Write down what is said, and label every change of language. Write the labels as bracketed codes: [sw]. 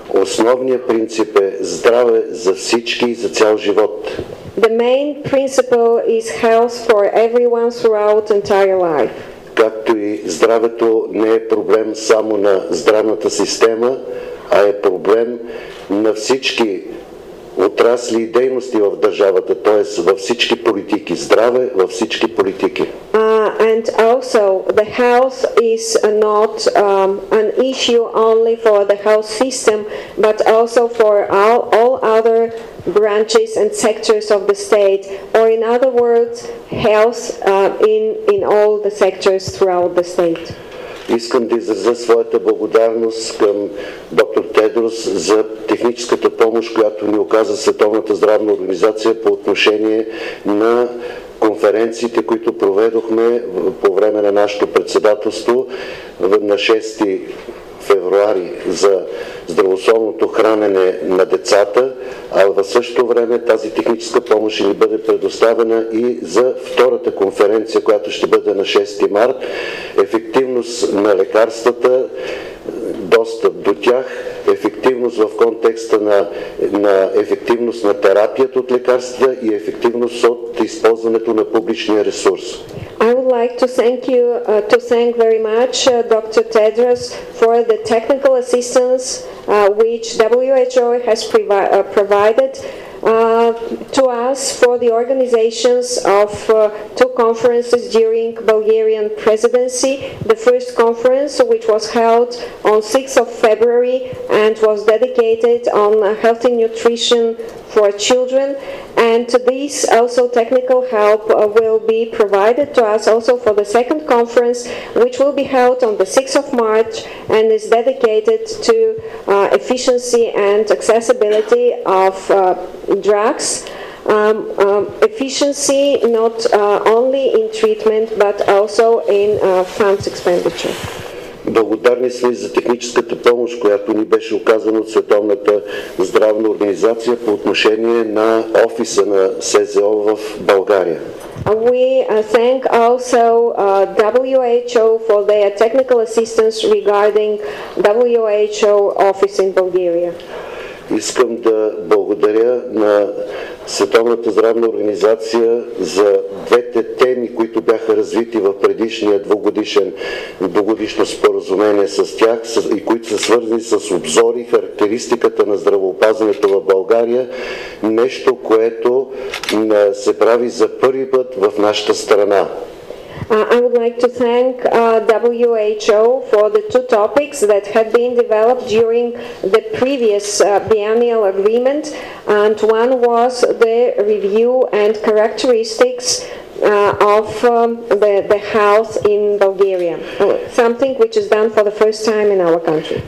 [bg] Основният принцип е здраве за всички и за цял живот. [en] The main principle is health for everyone throughout entire life. [bg] Както и здравето не е проблем само на здравната система, а е проблем на всички отрасли и дейности в държавата, т.е. във всички политики. Здраве във всички политики. [en] And also the health is not an issue only for the health system, but also for all other branches and sectors of the state, or in other words, health in all the sectors throughout the state. [bg] Искам да изразя своята благодарност към доктор Тедрос за техническата помощ, която ни оказа Световната здравна организация по отношение на конференциите, които проведохме по време на нашето председателство на 6 февруари за здравословното хранене на децата, а в същото време тази техническа помощ ни бъде предоставена и за втората конференция, която ще бъде на 6 март, ефективност на лекарствата, достъп до тях, ефективност в контекста на ефективност на терапията от лекарствата и ефективност от използването на публичния ресурс. [en] I would like to thank you to thank very much Dr. Tedros for the technical assistance which WHO has provided to us for the organizations of two conferences during Bulgarian presidency. The first conference, which was held on 6th of February and was dedicated on healthy nutrition for children, and this also technical help will be provided to us also for the second conference, which will be held on the 6th of March and is dedicated to efficiency and accessibility of drugs, efficiency not only in treatment but also in funds expenditure. [bg] Благодарни сме за техническата помощ, която ни беше оказана от Световната здравна организация по отношение на офиса на СЗО в България. [en] We thank also WHO for their technical assistance regarding WHO office in Bulgaria. [bg] Искам да благодаря на Световната здравна организация за двете теми, които бяха развити в предишния двугодишно споразумение с тях и които са свързани с обзори, характеристиката на здравеопазването в България, нещо, което се прави за първи път в нашата страна. [en] I would like to thank WHO for the two topics that had been developed during the previous biennial agreement, and one was the review and characteristics of the health in Bulgaria, something which is done for the first time in our country.